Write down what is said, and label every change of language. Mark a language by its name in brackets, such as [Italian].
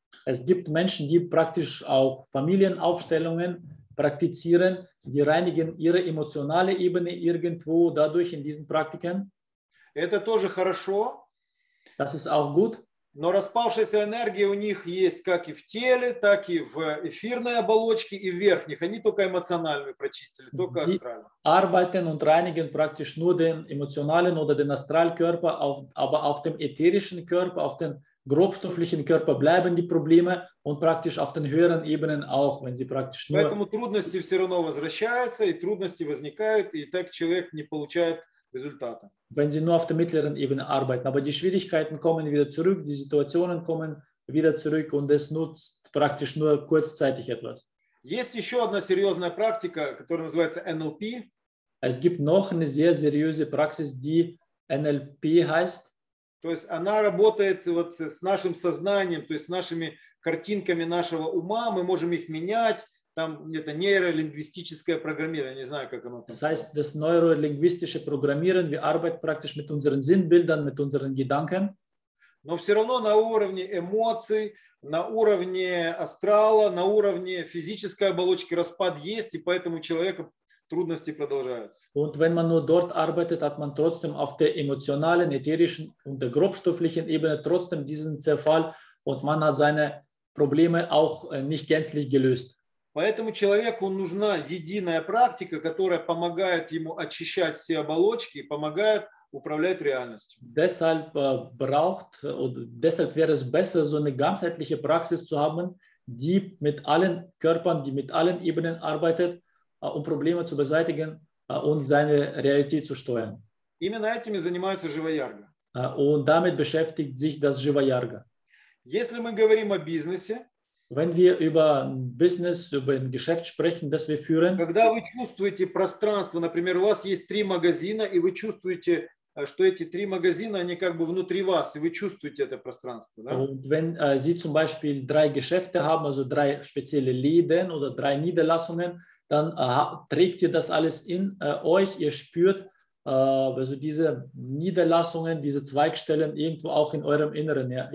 [German] Es gibt Menschen, die praktisch auch Familienaufstellungen praktizieren, die reinigen ihre emotionale Ebene irgendwo dadurch in diesen Praktiken. [Russian] Это тоже хорошо. [German] Das ist auch gut. [Russian] Но распавшаяся энергия у них есть как и в теле, так и в эфирной оболочке и в верхних. Они только эмоциональную прочистили, только астральную. [German] Arbeiten und reinigen praktisch nur den emotionalen oder den Astralkörper, aber auf dem ätherischen Körper, auf den grobstofflichen Körper bleiben die Probleme und praktisch auf den höheren Ebenen auch, wenn sie praktisch nur... [Russian] Поэтому трудности все равно возвращаются, и трудности возникают, и так человек не получает результата. [German] Wenn sie nur auf der mittleren Ebene arbeiten. Aber die Schwierigkeiten kommen wieder zurück, die Situationen kommen wieder zurück und es nutzt praktisch nur kurzzeitig etwas. [Russian] Есть еще одна серьезная практика, которая называется NLP. [German] Es gibt noch eine sehr seriöse Praxis, die NLP heißt. [Russian] То есть она работает вот с нашим сознанием, то есть с нашими картинками нашего ума, мы можем их менять. Там это нейролингвистическое программирование, не знаю, как оно там. [German] Das heißt, das neurolinguistische Programmieren, wir arbeiten praktisch mit unseren Sinnbildern, mit unseren Gedanken. [Russian] Но все равно на уровне эмоций, на уровне астрала, на уровне физической оболочки распад есть, и поэтому у человека трудности продолжаются. [German] Und wenn man nur dort arbeitet, hat man trotzdem auf der emotionalen, ätherischen und der grobstofflichen Ebene trotzdem diesen Zerfall und man hat seine Probleme auch nicht gänzlich gelöst. [Russian] Поэтому человеку нужна единая практика, которая помогает ему очищать все оболочки и помогает управлять реальностью. [German] Deshalb braucht oder deshalb wäre es besser, so eine ganzheitliche Praxis zu haben, die mit allen Körpern, die mit allen Ebenen arbeitet, um Probleme zu beseitigen und seine Realität zu steuern. [Russian] Именно этим и занимается Живаярга. [German] Und damit beschäftigt sich das Живаярга. [Russian] Если мы говорим о бизнесе, [German] wenn wir über Business, über ein Geschäft sprechen, das wir führen, [Russian] когда вы чувствуете пространство, например, у вас есть три магазина, и вы чувствуете, что эти три магазина, они как бы внутри вас, и вы чувствуете это пространство. Да? [German] Und wenn Sie zum Beispiel drei Geschäfte haben, also drei spezielle Läden oder drei Niederlassungen, dann trägt ihr das alles in euch, ihr spürt also diese Niederlassungen, diese Zweigstellen irgendwo auch in eurem Inneren.